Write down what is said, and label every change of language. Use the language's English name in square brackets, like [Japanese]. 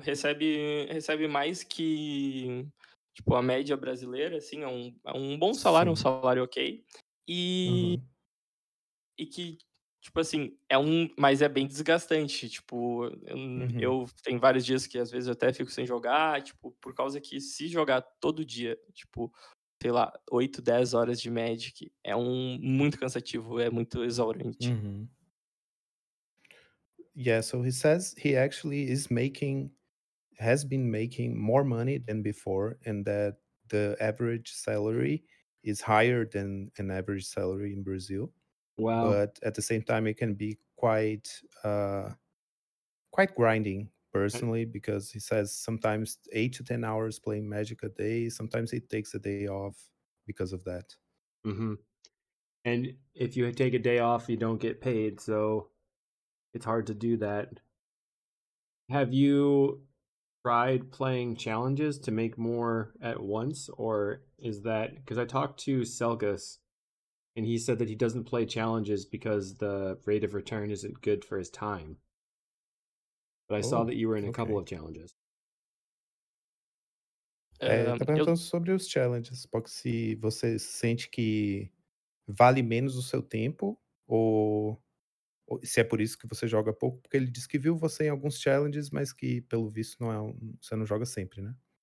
[Portuguese] Recebe mais que tipo, a média brasileira, assim, é um bom salário, sim, um salário ok. E, uhum, e que, tipo assim, mas é bem desgastante, tipo, eu tenho vários dias que às vezes eu até fico sem jogar, tipo, por causa que se jogar todo dia, tipo, sei lá, 8, 10 horas de Magic, é um muito cansativo, é muito exaurente. Uhum. [English] Yeah, so he says he actually has been making more money than before, and that the average salary is higher than an average salary in Brazil. Wow. But at the same time, it can be quite quite grinding personally, because he says sometimes 8 to 10 hours playing Magic a day, sometimes he takes a day off because of that. Mm-hmm. And if you take a day off, you don't get paid, so it's hard to do that. Have you tried playing challenges to make more at once, or is that, because I talked to Selgus, and he said that he doesn't play challenges because the rate of return isn't good for his time. But I saw that you were in a couple of challenges. [Portuguese] Tá perguntando sobre os challenges. Porque se você sente que vale menos o seu tempo, ou se é por isso que você joga pouco. Porque ele disse que viu você em alguns challenges, mas que, pelo visto, você não joga sempre, né?